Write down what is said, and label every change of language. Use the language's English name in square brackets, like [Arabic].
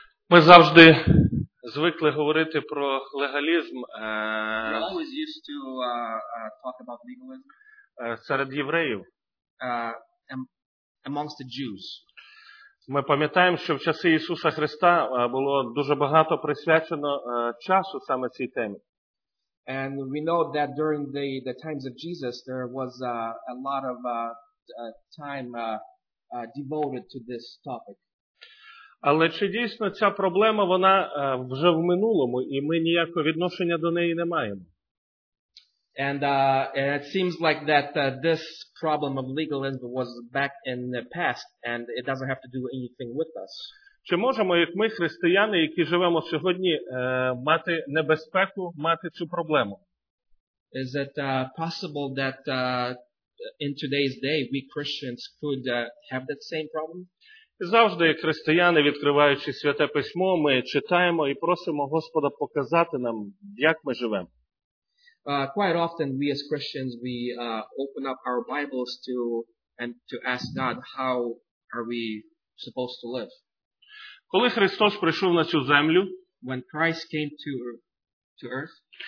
[Ukrainian] Ми завжди звикли говорити про легалізм. [English] We always used to talk about legalism. [Ukrainian] Серед євреїв. [English] Amongst the Jews. [Ukrainian] Ми пам'ятаємо, що в часи Ісуса Христа було дуже багато присвячено часу саме цій темі. [English] And we know that during the times of Jesus there was a lot of time devoted to this topic. [Ukrainian] Але чи дійсно ця проблема, вона вже в минулому, і ми ніякого відношення до неї не маємо? [English] And it seems like that this problem of legalism was back in the past, and it doesn't have to do anything with us. [Ukrainian] Чи можемо, як ми, християни, які живемо сьогодні, мати небезпеку, мати цю проблему? [English] Is it possible that in today's day we Christians could have that same problem? [Ukrainian] Завжди, як християни, відкриваючи Святе Письмо, ми читаємо і просимо Господа показати нам, як ми живемо. [English] Quite often we as Christians, we open up our Bibles to and to ask God, how are we supposed to live? [Ukrainian] Коли Христос прийшов на цю землю, [English] when Christ came to earth,